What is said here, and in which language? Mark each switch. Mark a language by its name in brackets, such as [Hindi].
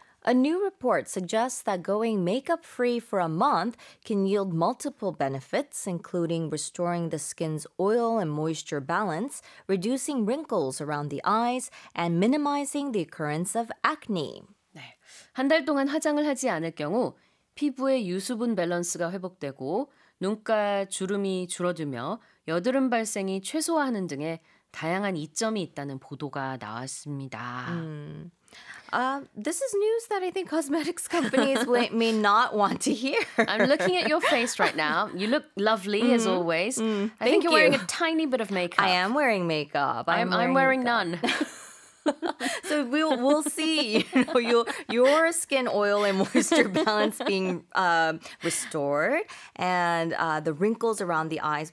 [English] A new report suggests that going makeup-free for a month can yield multiple benefits, including restoring the skin's oil and moisture balance, reducing wrinkles around the eyes, and minimizing the occurrence of acne. [Korean] 네. 한 달 동안 화장을 하지 않을 경우 피부의 유수분 밸런스가 회복되고 눈가 주름이 줄어들며 여드름 발생이 최소화하는 등의 다양한 이점이 있다는 보도가 나왔습니다. [English] This is news that I think cosmetics companies may not want to hear. I'm looking at your face right now. You look lovely as always. I think you're wearing a tiny bit of makeup. I am wearing makeup. I'm wearing makeup. None. So we'll see, you know, your skin oil and moisture balance being restored, and the wrinkles around the eyes.